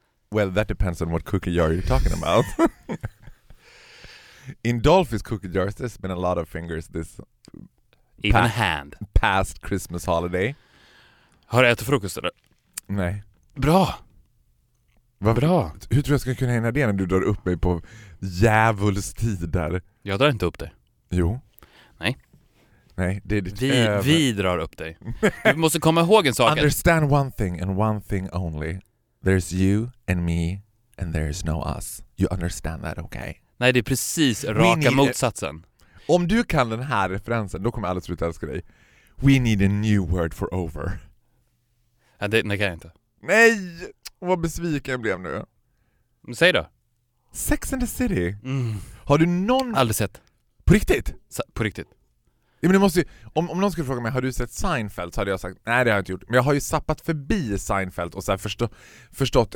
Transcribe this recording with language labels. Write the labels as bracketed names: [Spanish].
[English] Well, that depends on what cookie jar you're talking about. In Dolphy's cookie jars, there's been a lot of fingers this... Even a hand. Past Christmas holiday. [Swedish] Har du ätit frukost eller? Nej. Bra. Vad bra. Hur tror jag ska kunna hänga det när du drar upp mig på djävulstider? Jag drar inte upp dig. Jo. Nej. Nej, det är ditt vi drar upp dig. Du måste komma ihåg en sak. [English] Understand one thing and one thing only. There's you and me and there's no us. You understand that, okay? [Swedish] Nej, det är precis raka motsatsen. Om du kan den här referensen, då kommer alla sluta älska dig. [English] We need a new word for over. [Swedish] Ja, det kan jag inte. Nej, vad besviken jag blev nu. Säg då. Sex and the City. Har du någon... Aldrig sett. På riktigt? På riktigt. Ja, men du måste ju, om någon skulle fråga mig, har du sett Seinfeld? Så hade jag sagt, nej det har jag inte gjort. Men jag har ju zappat förbi Seinfeld och så här förstått.